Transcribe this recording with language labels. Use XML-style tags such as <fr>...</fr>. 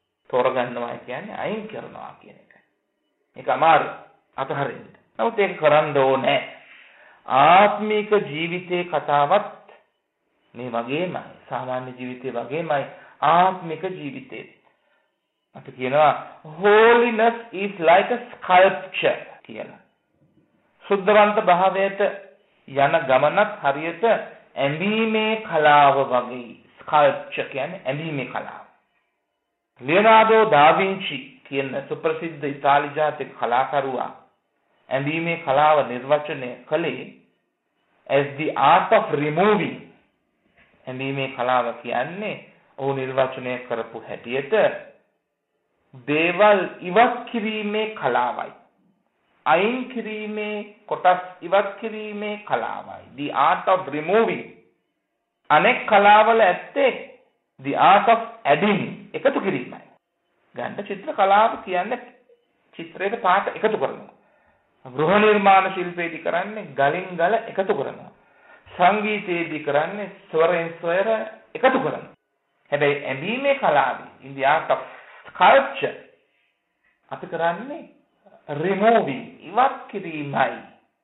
<si>තෝරගන්නවා කියන්නේ අයින් කරනවා කියන එක. මේක අමාරු අතහරින්න. නමුත් ඒක කරන්න ඕනේ. ආත්මික ජීවිතේ කතාවත් මේ වගේම සාමාන්‍ය ජීවිතේ වගේමයි ආත්මික ජීවිතේ. අපි කියනවා</si> <en>holiness is like a sculpture</en> <si>කියලා. සුද්ධවන්ත භාවයට යන ගමනක් හරියට ඇඳීමේ කලාව වගේ. ස්කල්ප්චර් කියන්නේ ඇඳීමේ කලාව. ලියනාඩෝ දාවින්චි කියන සුප්‍රසිද්ධ ඉතාලි ජාතික කලාකරුවා ඇඳීමේ කලාව නිර්වචනය කළේ</si> <en>as the art of removing.</en> <si>ඇඳීමේ කලාව කියන්නේ ඔහු නිර්වචනය කරපු හැටියට දේවල් ඉවත් කිරීමේ කලාවයි. අයින් කිරීමේ කොටස් ඉවත් කිරීමේ කලාවයි.</si> <en>The art of removing.</en> <si>අනෙක් කලාවල ඇත්තේ</si> <en>the art of adding.</en> <si>එකතු කිරීමයි. ගන්න චිත්‍ර කලාව කියන්නේ චිත්‍රයක පාට එකතු කරනවා. ගෘහ නිර්මාණ ශිල්පයේදී කරන්නේ ගලින් ගල එකතු කරනවා. සංගීතයේදී කරන්නේ ස්වරෙන් ස්වර එකතු කරනවා. හැබැයි ඇඳීමේ කලාවේ</si> <en>in the art of sculpture</en> <si>අපි කරන්නේ removing ඉවත් කිරීමයි.</si>